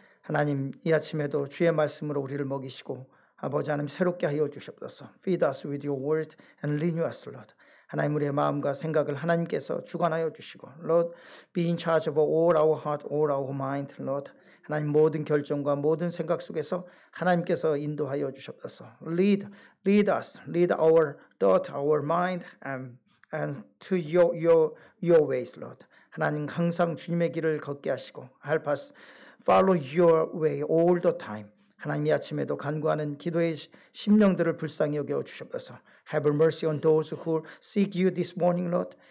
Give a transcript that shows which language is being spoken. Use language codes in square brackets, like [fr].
[ko] 하나님 이 아침에도 주의 말씀으로 우리를 먹이시고 아버지 하나님 새롭게 하여 주시옵소서. [en] Feed us with your word and renew us, Lord. [ko] 하나님 우리의 마음과 생각을 하나님께서 주관하여 주시고 [en] Lord, be in charge of all our heart, all our mind, Lord. [ko] 하나님 모든 결정과 모든 생각 속에서 하나님께서 인도하여 주시옵소서. [en] Lead us, lead our thought, our mind and to your ways, Lord. [ko] 하나님 항상 주님의 길을 걷게 하시고 [en] Help us follow your way all the time. [ko] 하나님 이 아침에도 간구하는 기도의 심령들을 불쌍히 여겨 주셔서 [en] Have mercy on those who seek you this morning, Lord.